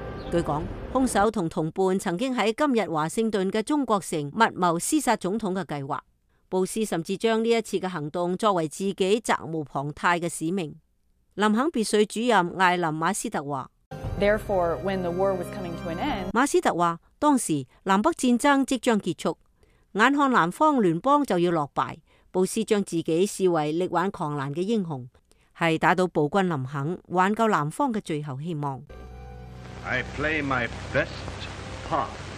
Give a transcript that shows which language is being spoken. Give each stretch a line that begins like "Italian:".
Chinese: 据讲，凶手同同伴曾经在今日华盛顿的中国城密谋刺杀总统的计划。布斯甚至将这一次的行动作为自己责无旁贷的使命。林肯别墅主任艾琳·马斯特说，
English: Therefore, when the war was coming to an end,
Chinese: 马斯特说，当时南北战争即将结束，眼看南方联邦就要落败，布斯将自己视为力挽狂澜的英雄，是打倒暴君林肯、挽救南方的最后希望。
English: I play my best part.